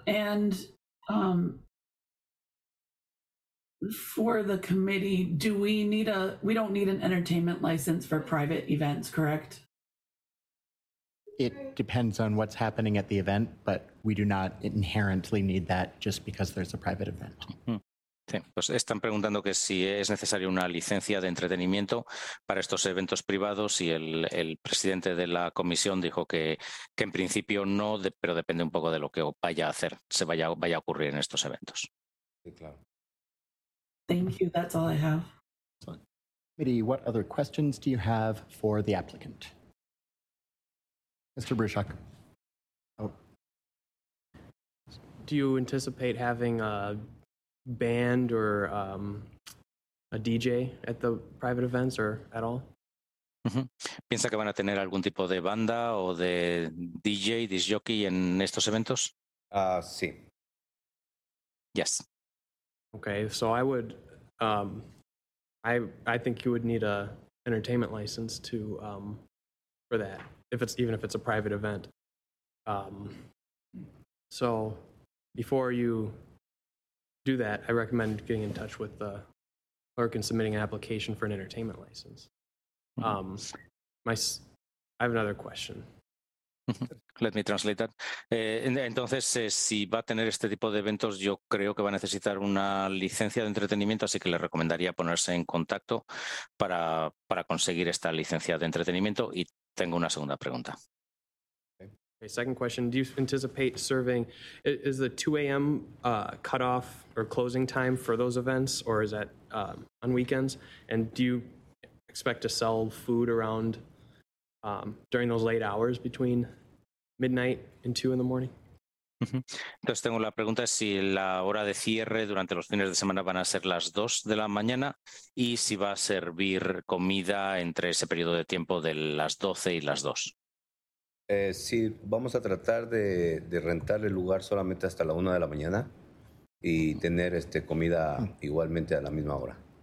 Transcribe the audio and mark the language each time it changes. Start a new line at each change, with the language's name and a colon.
English: And for the committee, do we need we don't need an entertainment license for private events, correct? It depends on what's happening at the event, but we do not inherently need that just because there's a private event.
Spanish: Sí, pues están preguntando que si es necesaria una licencia de entretenimiento para estos eventos privados y el presidente de la comisión dijo que en principio no, pero depende un poco de lo que vaya a hacer, vaya a ocurrir en estos eventos. Sí, claro.
English: Thank you. That's all I have. Mitty, what other questions do you have for the applicant? Mr. Bruchak. Do you anticipate having a band or a DJ at the private events or at all? Mm-hmm.
Spanish: ¿Piensa que van a tener algún tipo de banda o de DJ, disc jockey en estos eventos? Sí.
English: Yes. Okay, so I would, I think you would need a entertainment license to, for that, if it's, even if it's a private event. So before you do that, I recommend getting in touch with the clerk and submitting an application for an entertainment license. I have another question. Let me translate that.
Spanish: Entonces, si va a tener este tipo de eventos, yo creo que va a necesitar una licencia de entretenimiento, así que le recomendaría ponerse en contacto para conseguir esta licencia de entretenimiento. Y tengo una segunda pregunta.
English: Okay, second question. Do you anticipate serving? Is the 2 a.m. Cutoff or closing time for those events, or is that on weekends? And do you expect to sell food around during those late hours between midnight and 2 in the morning?
Spanish: Entonces tengo la pregunta de si la hora de cierre durante los fines de semana van a ser las 2 de la mañana y si va a servir comida entre ese periodo de tiempo de las 12 y las 2. Sí, vamos a tratar de rentar el lugar solamente hasta la 1 de la mañana y tener este comida igualmente a la misma hora.